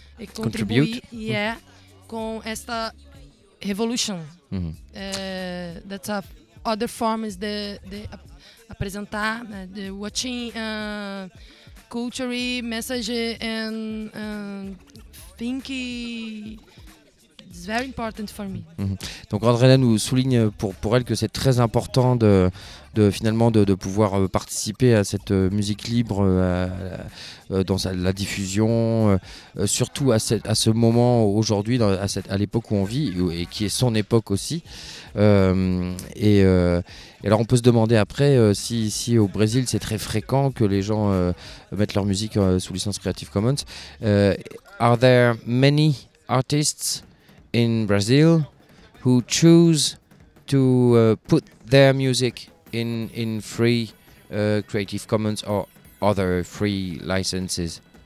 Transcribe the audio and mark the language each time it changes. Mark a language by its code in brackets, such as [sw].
[pt] E contribuir, yeah, mm-hmm. com esta revolution. Mm-hmm. [en] That's a other form is the apresentar the watching culture message and thinking it's very important for me. [fr] Donc Andréna nous souligne pour elle que c'est très important de finalement pouvoir participer à cette musique libre dans la diffusion, surtout à ce moment aujourd'hui, à l'époque où on vit et qui est son époque aussi. Et alors on peut se demander après si au Brésil c'est très fréquent que les gens mettent leur musique sous licence Creative Commons. [en] Are there many artists in Brazil who choose to put their music in free Creative Commons or other free licenses?